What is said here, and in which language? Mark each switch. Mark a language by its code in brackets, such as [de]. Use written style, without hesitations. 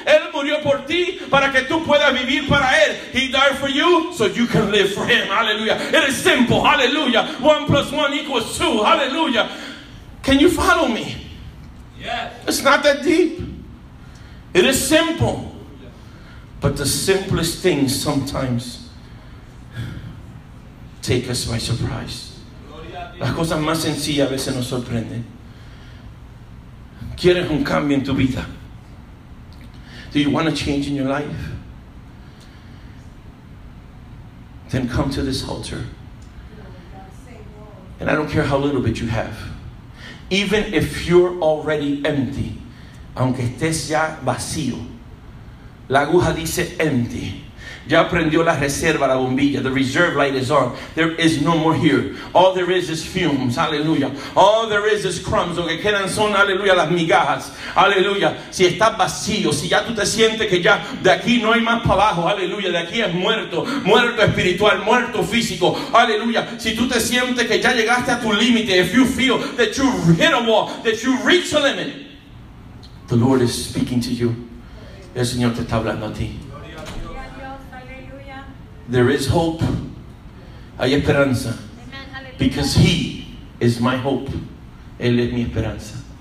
[es] Él murió por ti para que tú puedas vivir para Él. [en] He died for you so you can live for Him. Hallelujah. It is simple. Hallelujah. 1 + 1 = 2. Hallelujah. Can you follow me? Yes. It's not that deep. It is simple. But the simplest things sometimes take us by surprise. [es] Las cosas más sencillas a veces nos sorprenden. ¿Quieres un cambio en tu vida? [en] Do you want a change in your life? Then come to this altar. And I don't care how little bit you have. Even if you're already empty, [es] aunque estés ya vacío, la aguja dice empty. Ya prendió la reserva, la bombilla. [en] The reserve light is on. There is no more here. All there is fumes. Hallelujah. All there is crumbs. [es] Lo que quedan son, hallelujah, las migajas. Hallelujah. Si estás vacío, si ya tú te sientes que ya de aquí no hay más para abajo. Hallelujah. De aquí es muerto. Muerto espiritual, muerto físico. Hallelujah. Si tú te sientes que ya llegaste a tu límite. [en] If you feel that you hit a wall, that you reach a limit. The Lord is speaking to you. [es] El Señor te está hablando a ti. [en] There is hope. [es] Hay esperanza. [en] Amen. Hallelujah. Because He is my hope. [es] Él es mi esperanza.